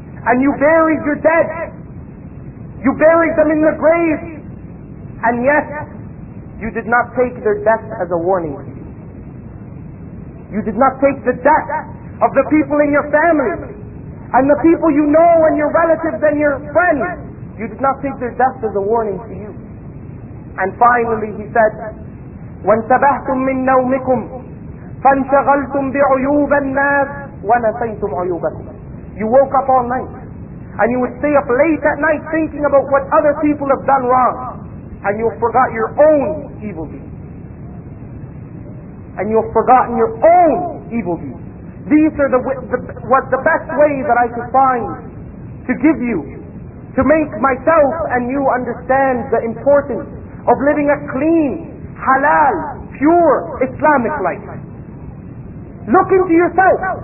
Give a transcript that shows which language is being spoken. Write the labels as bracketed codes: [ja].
[en] And you buried your dead, you buried them in the grave, and yet you did not take their death as a warning. You did not take the death of the people in your family and the people you know and your relatives and your friends, you did not take their death as a warning to you. And finally he said, [ar] وانتبهتم من نومكم فانشغلتم بعيوب الناس ونسيتم عيوبكم. [en] You woke up all night and you would stay up late at night thinking about what other people have done wrong, and you forgot your own evil deeds. And you've forgotten your own evil deeds. These are what the best way that I could find to give you, to make myself and you understand the importance of living a clean, halal, pure Islamic life. Look into yourself.